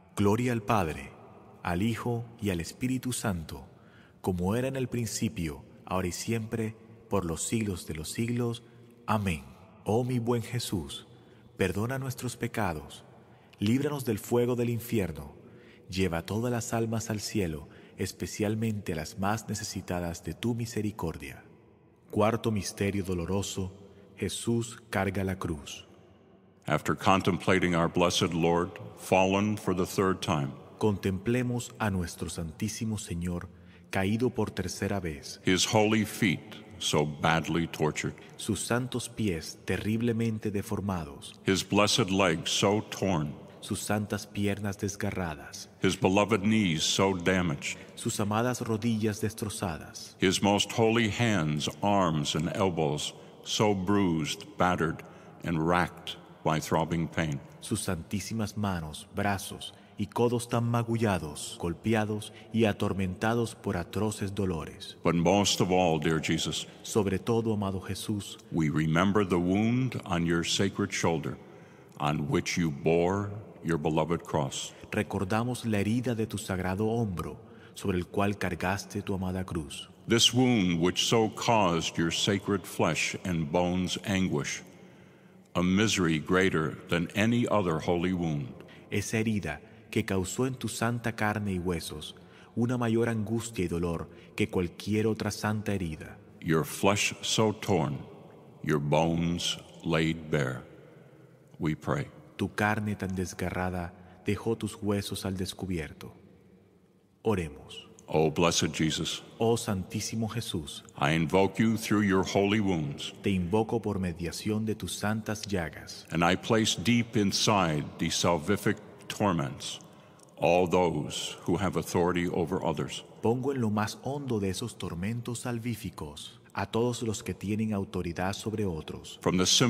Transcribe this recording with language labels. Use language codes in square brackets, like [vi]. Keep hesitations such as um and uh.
[es] Gloria al Padre, al Hijo y al Espíritu Santo, como era en el principio, ahora y siempre, por los siglos de los siglos. Amén. Oh mi buen Jesús, perdona nuestros pecados, líbranos del fuego del infierno, lleva todas las almas al cielo, especialmente a las más necesitadas de tu misericordia. Cuarto misterio doloroso, Jesús carga la cruz. [en] After contemplating our blessed Lord fallen for the third time. [es] Contemplemos a nuestro santísimo Señor caído por tercera vez. [en] His holy feet so badly tortured. [es] Sus santos pies terriblemente deformados, [en] his blessed legs so torn his beloved knees so damaged, His [es] amadas rodillas destrozadas, [en] his most holy hands, arms, and elbows so bruised, battered, and racked by throbbing pain, [es] sus santísimas manos, brazos, y codos tan magullados, golpeados y atormentados por atroces dolores. [en] But most of all, dear Jesus, [es] sobre todo, amado Jesús, [en] we remember the wound on your sacred shoulder on which you bore your beloved cross. [es] Recordamos la herida de tu sagrado hombro sobre el cual cargaste tu amada cruz. [en] This wound which so caused your sacred flesh and bones anguish, a misery greater than any other holy wound. [es] Esa herida que causó en tu santa carne y huesos una mayor angustia y dolor que cualquier otra santa herida. [en] Your flesh so torn, your bones laid bare. We pray. [es] tu carne tan desgarrada dejó tus huesos al descubierto. Oremos. [en] Oh blessed Jesus. [es] Oh santísimo Jesús. [en] I invoke you through your holy wounds. [es] Te invoco por mediación de tus santas llagas. [en] And I place deep inside the salvific torments all those who have authority over others. [es] Pongo en lo más hondo de esos tormentos salvíficos a todos los que tienen autoridad sobre otros. [en] From the